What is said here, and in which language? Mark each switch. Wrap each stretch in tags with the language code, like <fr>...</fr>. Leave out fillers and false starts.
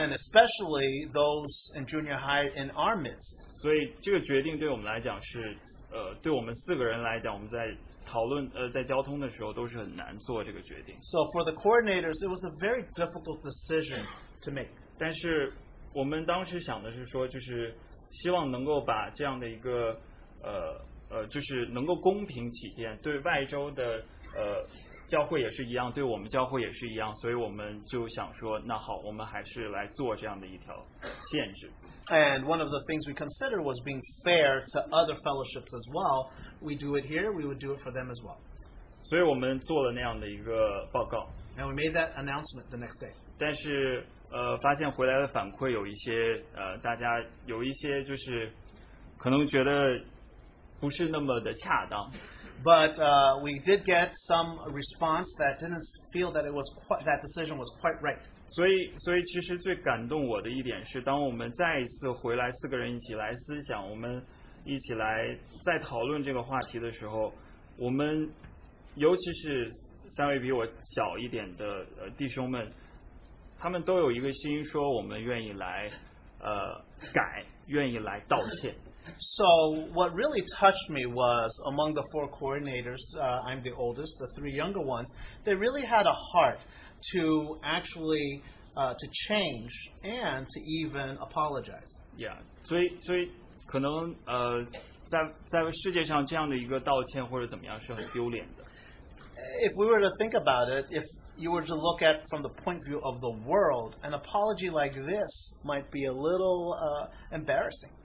<en>And especially those in junior high in our midst.</en> <zh>所以这个决定对我们来讲是对我们四个人来讲，我们在讨论在交通的时候都是很难做这个决定。</zh> <en>So for the coordinators, it was a very difficult decision to make.</en> <zh>但是我们当时想的是说，就是希望能够把这样的一个就是能够公平起见，对外州的教会也是一样，对我们教会也是一样，所以我们就想说，那好，我们还是来做这样的一条限制。</zh> <en>And one of the things we considered was being fair to other fellowships as well. We do it here, we would do it for them as well.</en> <zh>所以我们做了那样的一个报告。</zh> <en>And we made that announcement the next day.</en> <zh>但是发现回来的反馈有一些大家有一些就是可能觉得不是那么的恰当。</zh> <en>But we did get some response that didn't feel that it was quite, that decision was quite right.</en> <zh>所以其实最感动我的一点是，当我们再一次回来四个人一起来思想，我们一起来再讨论这个话题的时候，我们尤其是三位比我小一点的弟兄们，他们都有一个心说我们愿意来改，愿意来道歉。</zh> <en>So what really touched me was among the four coordinators, I'm the oldest, the three younger ones, they really had a heart to actually to change and to even apologize.</en> <zh>Yeah, 所以可能在世界上这样的一个道歉或者怎么样是很丢脸的。</zh> <en>If we were to think about it, if you were to look at from the point of view of the world, an apology like this might be a little embarrassing.</en>